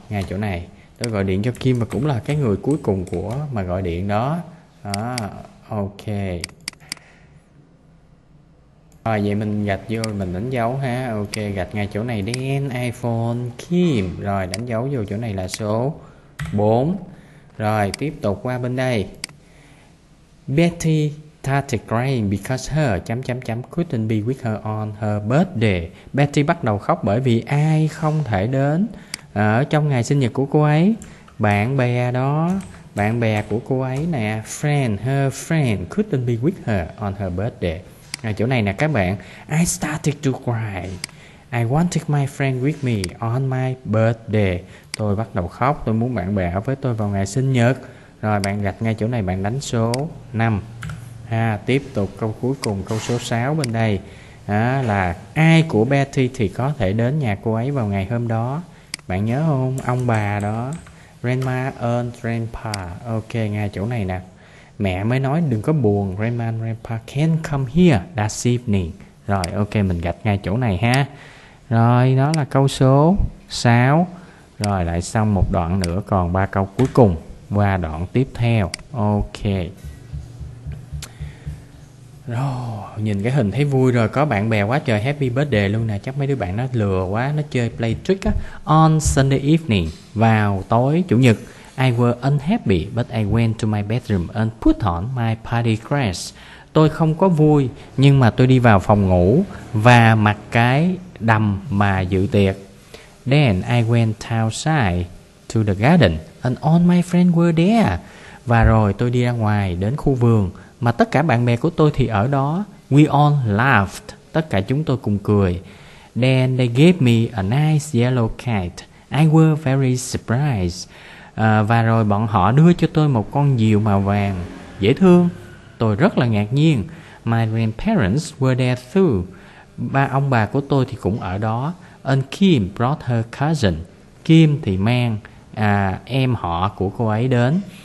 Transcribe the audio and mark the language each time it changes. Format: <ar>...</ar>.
<vi>Ngay chỗ này tôi gọi điện cho Kim, và cũng là cái người cuối cùng của mà gọi điện đó. Đó, ok. Rồi vậy mình gạch vô, mình đánh dấu ha. Ok, gạch ngay chỗ này.</vi> <en>Then I phone Kim.</en> <vi>Rồi đánh dấu vô chỗ này là số 4. Rồi tiếp tục qua bên đây.</vi> <en>Betty started crying because her couldn't be with her on her birthday.</en> <vi>Betty bắt đầu khóc bởi vì ai không thể đến ở trong ngày sinh nhật của cô ấy. Bạn bè đó, bạn bè của cô ấy nè,</vi> <en>friend, her friend couldn't be with her on her birthday.</en> <vi>Ở chỗ này nè các bạn,</vi> <en>I started to cry. I wanted my friend with me on my birthday.</en> <vi>Tôi bắt đầu khóc, tôi muốn bạn bè ở với tôi vào ngày sinh nhật. Rồi bạn gạch ngay chỗ này, bạn đánh số 5. Ha, tiếp tục câu cuối cùng, câu số 6 bên đây. Đó là ai của Betty thì có thể đến nhà cô ấy vào ngày hôm đó. Bạn nhớ không? Ông bà đó.</vi> <en>Grandma and grandpa.</en> <vi>Ok, ngay chỗ này nè. Mẹ mới nói đừng có buồn.</vi> <en>Grandma and grandpa can't come here this evening.</en> <vi>Rồi ok, mình gạch ngay chỗ này ha. Rồi đó là câu số 6. Rồi lại xong một đoạn nữa, còn 3 câu cuối cùng. Qua đoạn tiếp theo. Ok. Rồi, nhìn cái hình thấy vui rồi. Có bạn bè quá trời,</vi> <en>happy birthday</en> <vi>luôn nè. Chắc mấy đứa bạn nó lừa quá, nó chơi play trick á.</vi> <en>On Sunday evening,</en> <vi>vào tối chủ nhật,</vi> <en>I were unhappy but I went to my bedroom and put on my party dress.</en> <vi>Tôi không có vui nhưng mà tôi đi vào phòng ngủ và mặc cái đầm mà dự tiệc.</vi> <en>Then I went outside to the garden and all my friends were there.</en> <vi>Và rồi tôi đi ra ngoài đến khu vườn mà tất cả bạn bè của tôi thì ở đó.</vi> <en>We all laughed.</en> <vi>Tất cả chúng tôi cùng cười.</vi> <en>Then they gave me a nice yellow kite. I were very surprised.</en> <vi>Và rồi bọn họ đưa cho tôi một con diều màu vàng dễ thương. Tôi rất là ngạc nhiên.</vi> <en>My grandparents were there too.</en> <vi>Ba ông bà của tôi thì cũng ở đó.</vi> <en>And Kim brought her cousin.</en> <vi>Kim thì mang em họ của cô ấy đến.</vi>